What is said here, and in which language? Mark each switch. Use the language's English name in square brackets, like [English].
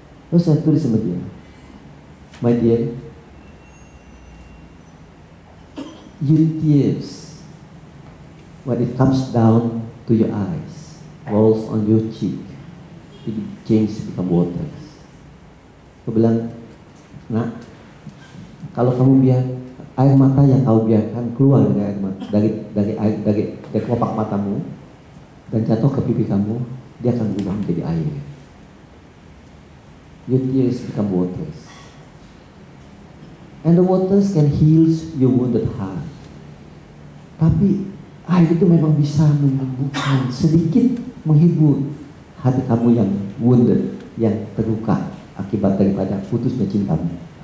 [Indonesian] Lalu saya tulis sama dia, [English] my dear, your tears, when it comes down to your eyes, rolls on your cheek, it changes become waters. [Indonesian] Aku bilang, nak, kalau kamu biar air mata yang kau biarkan keluar dari kelopak matamu dan jatuh ke pipi kamu, dia akan berubah menjadi air. [English] Your tears become waters. And the waters can heal your wounded heart. [Indonesian] Tapi air itu memang bisa menyembuhkan, sedikit menghibur hati kamu yang wounded, yang terluka akibat daripada putusnya cintamu.